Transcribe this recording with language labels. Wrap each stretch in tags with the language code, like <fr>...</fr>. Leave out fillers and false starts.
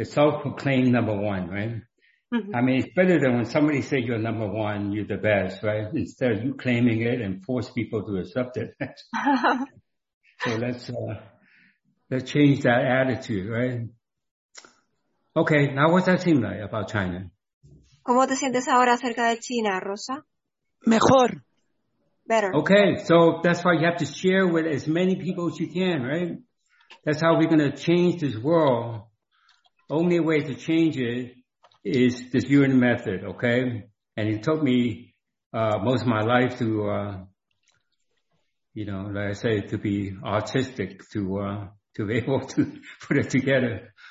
<en>It's self-proclaimed number one, right? Mm-hmm. I mean, it's better than when somebody says you're number one, you're the best, right? Instead of you claiming it and force people to accept it. So let's change that attitude, right? Okay, now what's that seem like about China?</en> <es>¿Cómo te sientes ahora acerca de China, Rosa? Mejor.</es> <en>Better. Okay, so that's why you have to share with as many people as you can, right? That's how we're going to change this world. Only way to change it is this Yuen method, okay? And it took me most of my life to, you know, like I say, to be autistic, to be able to put it together.</en>